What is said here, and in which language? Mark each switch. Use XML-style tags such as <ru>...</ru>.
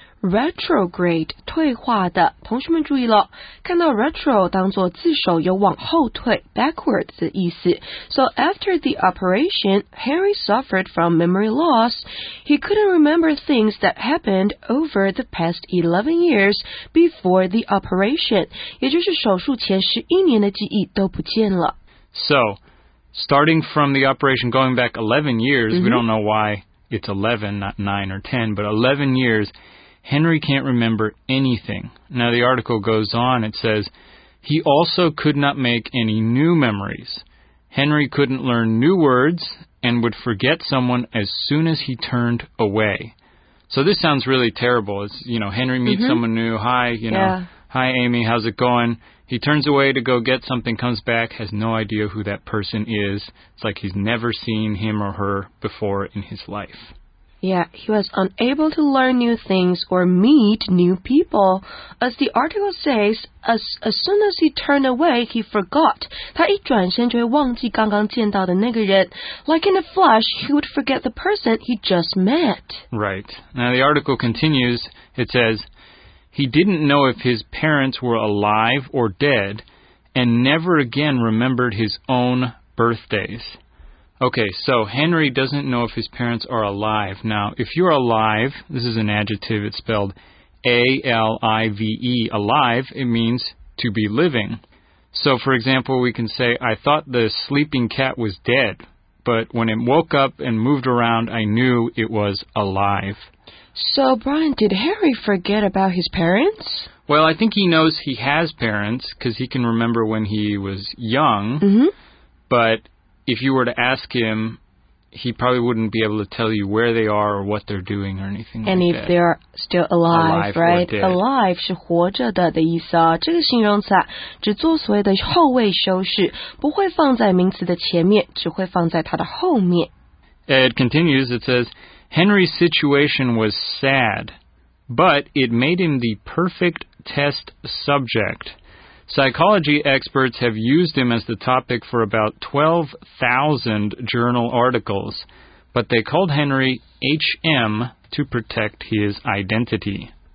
<zh>Retrograde, 退化的。同学们注意了，看到 retro 当作自首有往后退 backwards 的意思。</zh> <en>So after the operation, Harry suffered from memory loss. He couldn't remember things that happened over the past 11 years before the operation.</en> <zh>也就是手术前11年的记忆都不见了。</zh> <en>So... Starting from the operation, going back 11 years,、mm-hmm. we don't know why it's 11, not 9 or 10, but 11 years, Henry can't remember anything. Now the article goes on, it says, he also could not make any new memories. Henry couldn't learn new words and would forget someone as soon as he turned away. So this sounds really terrible. It's, you know, Henry meets、mm-hmm. someone new. Hi, you know,、 yeah. hi, Amy, how's it going? He turns away to go get something, comes back, has no idea who that person is. It's like he's never seen him or her before in his life. Yeah, he was unable to learn new things or meet new people. As the article says, as soon as he turned away, he forgot.</en> <zh>他一转身就会忘记刚刚见到的那个人。</zh> <en>Like in a flash, he would forget the person he just met. Right. Now the article continues, it says... He didn't know if his parents were alive or dead, and never again remembered his own birthdays. Okay, so Henry doesn't know if his parents are alive. Now, if you're alive, this is an adjective, it's spelled A-L-I-V-E, alive, it means to be living. So, for example, we can say, I thought the sleeping cat was dead, but when it woke up and moved around, I knew it was alive. So, Brian, did Harry forget about his parents? Well, I think he knows he has parents because he can remember when he was young. Mm-hmm. But if you were to ask him, he probably wouldn't be able to tell you where they are or what they're doing or anything and like that. And if they're still alive, right? Or dead.</en> <zh>Alive 是活着的的意思啊。这个形容词啊，只做所谓的后位修饰，不会放在名词的前面，只会放在它的后面。</zh> <en>It continues, it says, Henry's situation was sad, but it made him the perfect test subject. Psychology experts have used him as the topic for about 12,000 journal articles, but they called Henry HM to protect his identity.</en>